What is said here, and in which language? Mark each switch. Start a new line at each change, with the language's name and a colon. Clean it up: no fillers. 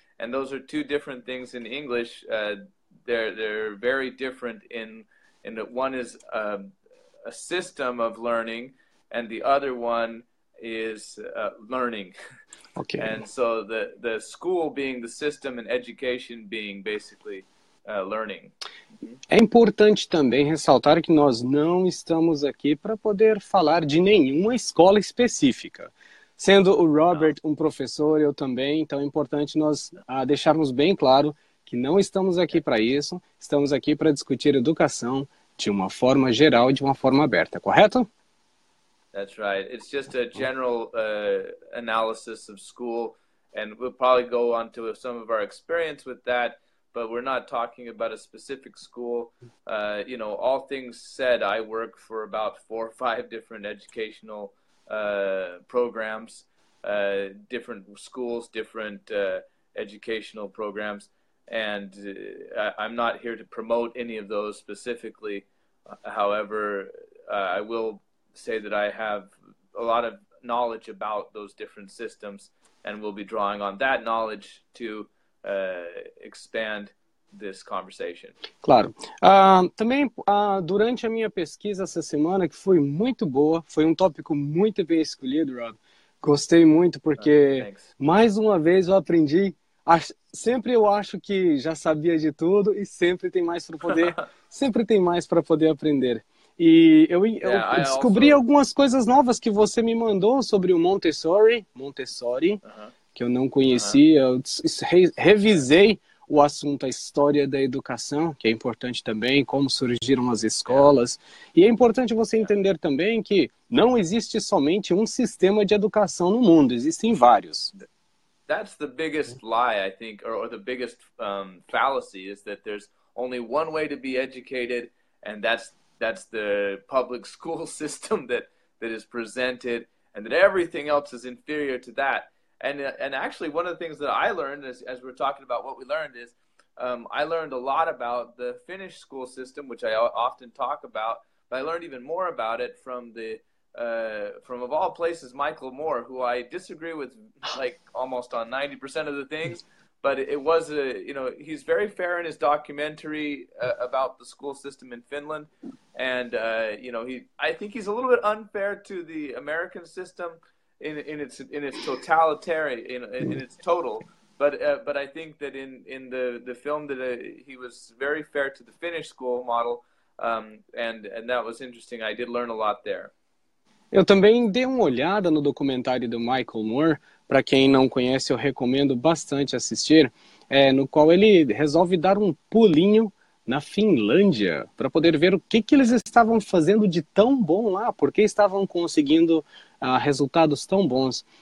English: And those are two different things in English. They're very different in that one is a system of learning, and the other one is learning. Okay. And so the school being the system and education being basically learning.
Portuguese: É importante também ressaltar que nós não estamos aqui para poder falar de nenhuma escola específica. Sendo o Robert um professor, eu também, então é importante nós deixarmos bem claro que não estamos aqui para isso, estamos aqui para discutir educação de uma forma geral, de uma forma aberta, correto?
English: That's right. It's just a general analysis of school, and we'll probably go on to some of our experience with that, but we're not talking about a specific school. All things said, I work for about four or five different educational programs, different schools, different educational programs, and I'm not here to promote any of those specifically. However, I will say that I have a lot of knowledge about those different systems, and we'll be drawing on that knowledge to expand this conversation.
Portuguese: Claro. Também durante a minha pesquisa essa semana, que foi muito boa, foi um tópico muito bem escolhido, Rob. Gostei muito porque
English: Thanks.
Portuguese: mais uma vez eu aprendi. Sempre eu acho que já sabia de tudo e sempre tem mais para poder aprender. E eu
English: Yeah, I
Portuguese: descobri
English: also.
Portuguese: algumas coisas novas que você me mandou sobre o Montessori, que eu não conhecia. Eu revisei o assunto, a história da educação, que é importante também, como surgiram as escolas. E é importante você entender também que não existe somente um sistema de educação no mundo, existem vários.
English: That's the biggest lie, I think, or the biggest fallacy is that there's only one way to be educated, and that's the public school system that is presented, and that everything else is inferior to that. And actually, one of the things that I learned as we're talking about what we learned is I learned a lot about the Finnish school system, which I often talk about, but I learned even more about it from the from of all places, Michael Moore, who I disagree with like almost on 90% of the things, but it was a he's very fair in his documentary about the school system in Finland, and he I think he's a little bit unfair to the American system in its totalitarian in its total, but I think that in the film that he was very fair to the Finnish school model, and that was interesting. I did learn a lot there.
Portuguese: Eu também dei uma olhada no documentário do Michael Moore. Para quem não conhece, eu recomendo bastante assistir. É no qual ele resolve dar um pulinho na Finlândia para poder ver o que que eles estavam fazendo de tão bom lá, por que estavam conseguindo resultados tão bons.